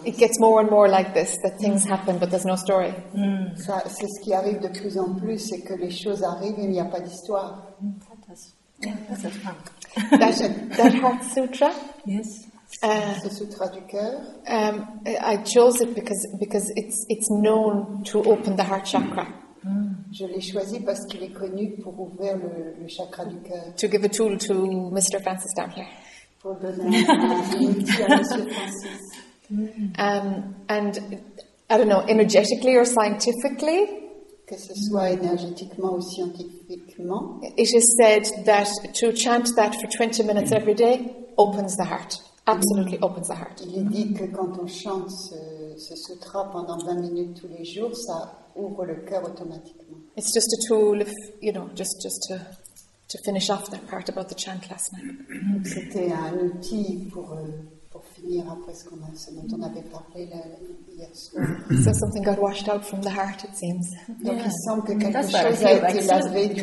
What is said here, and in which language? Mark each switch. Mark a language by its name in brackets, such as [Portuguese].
[English] It gets more and more like this, that things happen, but there's no story. [French] Ça, c'est ce qui arrive de plus en plus, c'est que les choses arrivent et il n'y a pas d'histoire. [English] That Heart Sutra? Yes. [French] Ce sutra du cœur. [English] I chose it because it's known to open the heart chakra. [French] Je l'ai choisi parce qu'il est connu pour ouvrir le chakra du cœur. [English] To give a tool to Mr. Francis down here. [French] Pour donner un outil à Mr. Francis. [English] And I don't know, energetically or scientifically. [French] Que ce soit énergétiquement ou scientifiquement. [English] It is said that to chant that for 20 minutes every day opens the heart. Absolutely opens the heart. [French] Il est dit que quand on chante ce sutra pendant 20 minutes tous les jours, ça ouvre le cœur automatiquement. [English] It's just a tool, if, you know, just to finish off that part about the chant last night. [French] C'était un outil pour finir après ce dont on avait parlé hier soir. [English] So something got washed out from the heart, it seems. [French] Donc il semble que quelque chose a été lavé du cœur.